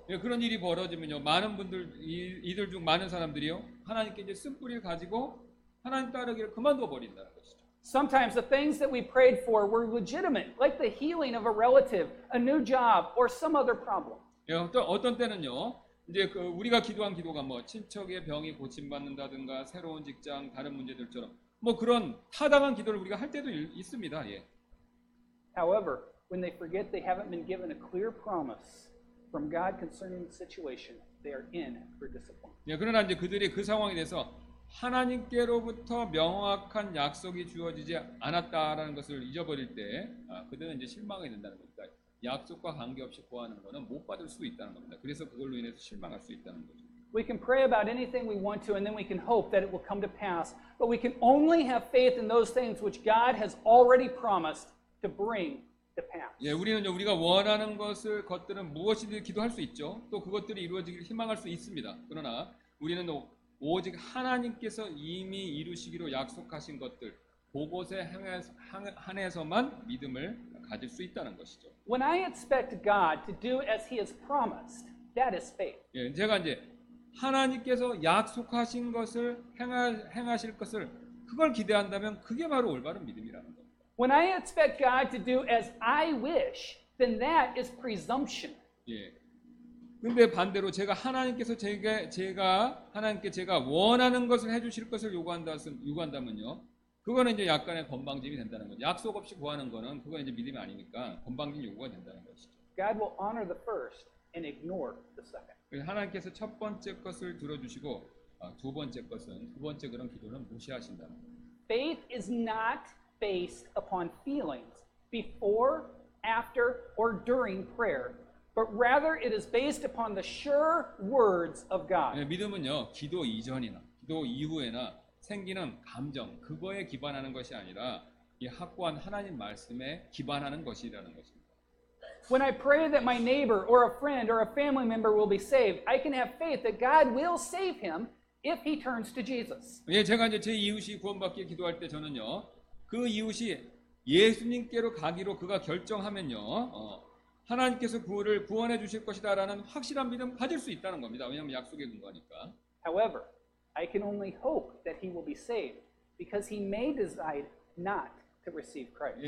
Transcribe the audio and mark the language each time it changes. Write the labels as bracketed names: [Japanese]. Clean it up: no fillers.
[Korean] 예, 그런 일이 벌어지면요, 많은 분들 이들 중 많은 사람들이요, 하나님께 이제 쓴뿌리를 가지고 하나님 따르기를 그만둬 버린다는 것이죠. [English] Sometimes the things that we prayed for were legitimate, like the healing of a relative, a new job, or some other problem. [Korean] 예, 어떤 때는요, 이제 그 우리가 기도한 기도가 뭐 친척의 병이 고침받는다든가 새로운 직장 다른 문제들처럼 뭐 그런 타당한 기도를 우리가 할 때도 있습니다. 예. [English] However, when they forget they haven't been given a clear promise from God concerning the situation, they are in for disappointment. [Korean] 예, 그러나 이제 그들이 그 상황에 대해서 하나님께로부터 명확한 약속이 주어지지 않았다라는 것을 잊어버릴 때 그들은 이제 실망하게 된다는 겁니다. 약속과 관계없이 구하는 것은 못 받을 수 있다는 겁니다. 그래서 그걸로 인해서 실망할 수 있다는 거죠. [English] We can pray about anything we want to and then we can hope that it will come to pass, but we can only have faith in those things which God has already promised to bring to pass. [Korean] 예, 우리는 우리가 원하는 것을 것들은 무엇이든 기도할 수 있죠. 또 그것들이 이루어지기를 희망할 수 있습니다. 그러나 우리는 오직 하나님께서 이미 이루시기로 약속하신 것들 그곳에 한해서만 믿음을 가질 수 있다는 것이죠. [English] When I expect God to do as He has promised, that is faith. [Korean] 예, 제가 이제 하나님께서 약속하신 것을 행하실 것을 그걸 기대한다면 그게 바로 올바른 믿음이라는 겁니다. [English] When I expect God to do as I wish, then that is presumption. [Korean] 예. 근데 반대로 제가 하나님께서 제가 하나님께 원하는 것을 해주실 것을 요구한다면요. 그거는 이제 약간의 건방짐이 된다는 거죠. 약속 없이 구하는 거는 그건 이제 믿음이 아니니까 건방진 요구가 된다는 것이죠. [English] God will honor the first and ignore the second. [Korean] 하나님께서 첫 번째 것을 들어주시고 두 번째 그런 기도는 무시하신다는 거예요. [English] Faith is not based upon feelings before, after, or during prayer, but rather it is based upon the sure words of God. [Korean] 네, 믿음은요 기도 이전이나 기도 이후에나 생기는 감정, 그거에 기반하는 것이 아니라 이 확고한 하나님 말씀에 기반하는 것이라는 것입니다. [English] When I pray that my neighbor or a friend or a family member will be saved, I can have faith that God will save him if he turns to Jesus. [Korean] 예, 제가 이제 제 이웃이 구원받기를 기도할 때 저는요, 그 이웃이 예수님께로 가기로 그가 결정하면요, 하나님께서 구원해 주실 것이다 라는 확실한 믿음 가질 수 있다는 겁니다. 왜냐하면 약속에 근거하니까. [English] However, I can only hope that he will be saved because he may decide not to receive Christ.